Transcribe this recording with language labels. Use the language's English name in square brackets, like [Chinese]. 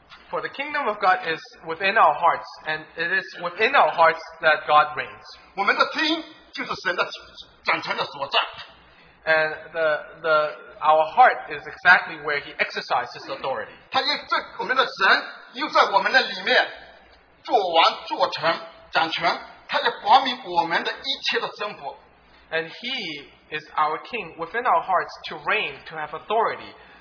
[English] For the kingdom of God is within our hearts, and it is within our hearts that God reigns. [Chinese] 我们的心就是神的掌权的所在。 [English] And our heart is exactly where He exercises authority. [Chinese] 他也在我们的神又在我们的里面做王做成掌权，他也管理我们的一切的生活。 [English] And He is our King within our hearts to reign, to have authority.